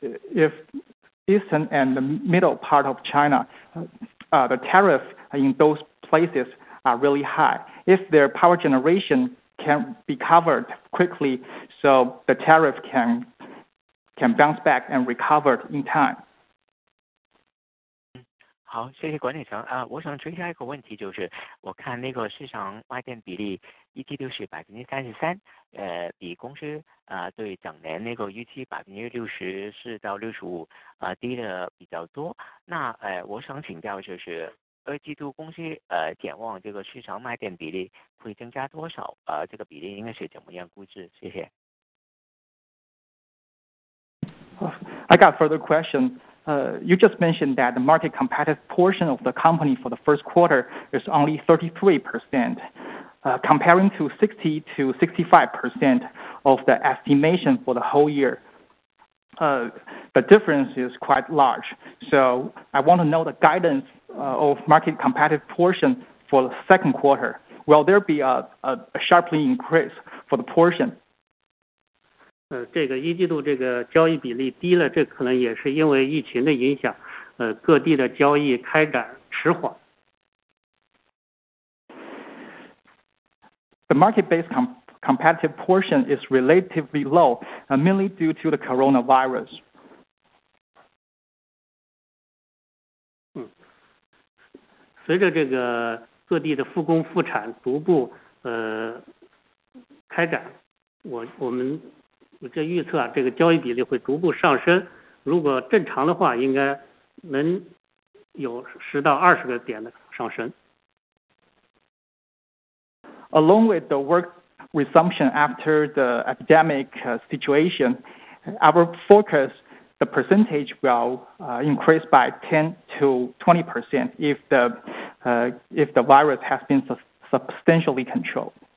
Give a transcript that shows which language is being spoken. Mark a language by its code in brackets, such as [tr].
[en] If eastern and the middle part of China, the tariff in those places are really high. If their power generation can be covered quickly, so the tariff can bounce back and recover in time. [zh] 好，谢谢管理层。我想追加一个问题，就是我看那个市场外电比例一季度是33%，比公司对整年那个预期64%-65%低的比较多。那我想请教就是。二季度公司展望这个市场卖电比例会增加多少？这个比例应该是怎么样估值？谢谢。 [en] I got further question. You just mentioned that the market competitive portion of the company for the first quarter is only 33%, comparing to 60%-65% of the estimation for the whole year. The difference is quite large. So I want to know the guidance. Of market competitive portion for the second quarter, will there be a sharply increase for the portion? [zh] 这个一季度这个交易比例低了，这可能也是因为疫情的影响，各地的交易开展迟缓。 [en] The market-based competitive portion is relatively low, mainly due to the coronavirus. [zh] 随着这个各地的复工复产逐步开展，我这预测这个交易比例会逐步上升，如果正常的话应该能有10-20个点的上升。 [en] Along with the work resumption after the epidemic situation, our focus the percentage will increase by 10-20% if the virus has been substantially controlled.